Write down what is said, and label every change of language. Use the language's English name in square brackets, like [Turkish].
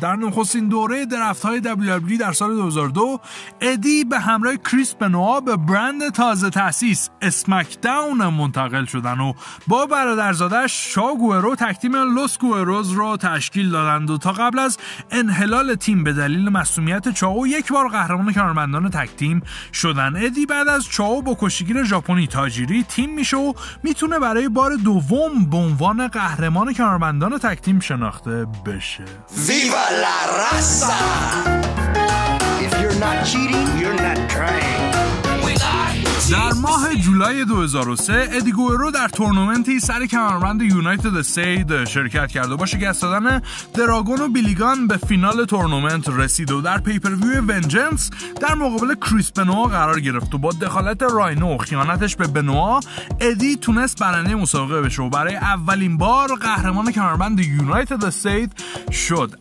[Persian] در نخستین دوره درافت های WWE در سال 2002 ادی به همراه کریس بنوا به برند تازه تأسیس اسمکداون منتقل شدن و با برادرزادش شاو گوئرو تک تیم لوس گوئروز را تشکیل دادند و تا قبل از انحلال تیم به دلیل مصونیت چاو یک بار قهرمان کنارمندان تک تیم شدن. ادی بعد از چاو با کشتیگیر ژاپنی تاجیری تیم میشه و میتونه برای بار دوم به عنوان قهرمان کنارمندان تک تیم شناخته بشه. ویوا لا راسا [English] If you're not cheating, you're not trying. [Persian] در ماه جولای 2003 ادی گوئرو در تورنمنتی سر کمربند یونایتد سید شرکت کرد و با شکست دادن دراگون و بیلیگان به فینال تورنمنت رسید و در پیپرویو ونجنس در مقابل کریس بنوا قرار گرفت و با دخالت راینو و خیانتش به بنوا ادی تونست برنده مسابقه بشه و برای اولین بار قهرمان کمربند یونایتد سید شد.